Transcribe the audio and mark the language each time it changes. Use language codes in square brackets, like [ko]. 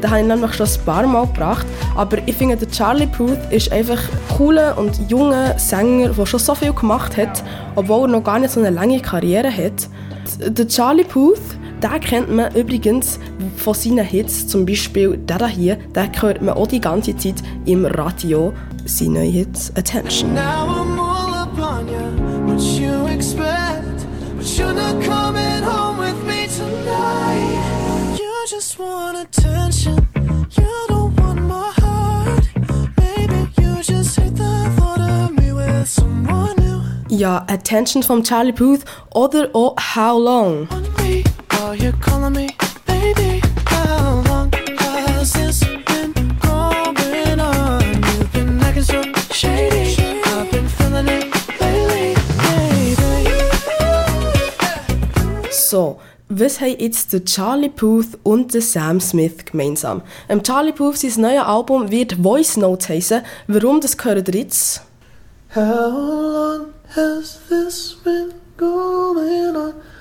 [de] Den habe ich nämlich schon ein paar Mal gebracht. Aber ich finde, der Charlie Puth ist einfach ein cooler und junger Sänger, der schon so viel gemacht hat, obwohl er noch gar nicht so eine lange Karriere hat. Der Charlie Puth, den kennt man übrigens von seinen Hits, zum Beispiel der hier, den hört man auch die ganze Zeit im Radio, seine neue Hits, Attention. [en] Now I'm all upon you, what you expect, but you're not coming home with me tonight. just want attention. You don't want my heart. Maybe you just hate the thought of me with someone new. [de] Ja, Attention from Charlie Puth oder auch How Long. [en] Are you calling me, baby? How long has this been going on? You've been acting so shady. [de] So, was haben jetzt der Charlie Puth und der Sam Smith gemeinsam? Im Charlie Puth, sein neues Album wird Voice Notes heissen. Warum, das gehört jetzt? [en] How long has this been going on?